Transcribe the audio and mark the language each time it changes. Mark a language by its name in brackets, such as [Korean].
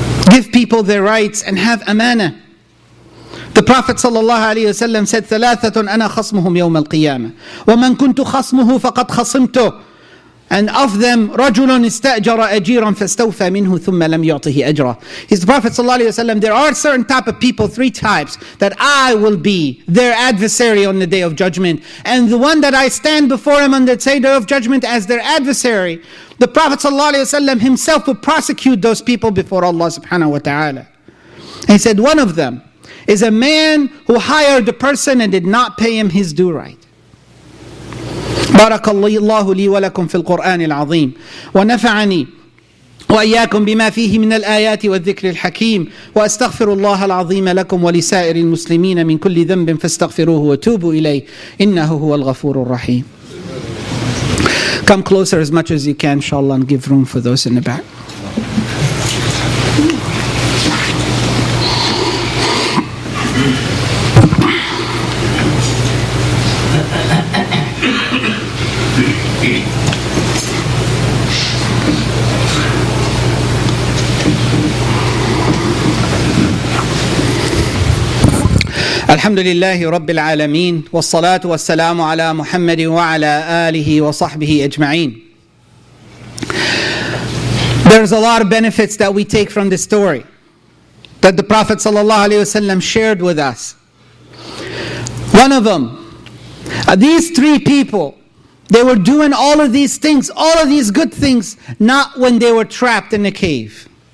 [English] Give people their rights and have amana. The Prophet [Arabic] صلى الله عليه وسلم [English] said, [Arabic] ثلاثة أنا خصمهم يوم القيامة ومن كنت خصمه فقد خصمته. [English] And of them, [Arabic] رجل استأجر أجيرا فاستوفى منه ثم لم يعطه أجرا. [English] His Prophet صلى الله عليه وسلم, there are certain type of people, three types, that I will be their adversary on the day of judgment. And the one that I stand before him on the day of judgment as their adversary, the Prophet صلى الله عليه وسلم himself will prosecute those people before Allah subhanahu wa ta'ala. He said, one of them is a man who hired a person and did not pay him his due right. [Arabic] بارك الله لي ولكم في القرآن العظيم ونفعني وإياكم بما فيه من الآيات والذكر الحكيم وأستغفر الله العظيم لكم ولسائر المسلمين من كل ذنب فاستغفروه وتوبوا إليه إنه هو الغفور الرحيم. [English] Come closer as much as you can, inshallah, and give room for those in the back. [Arabic] الحمد لله رب العالمين والصلاة والسلام على محمد وعلى آله وصحبه أجمعين. [English] There's a lot of benefits that we take from this story that the Prophet صلى الله عليه وسلم shared with us. One of them, these three people, they were doing all of these things, all of these good things, not when they were trapped in a cave.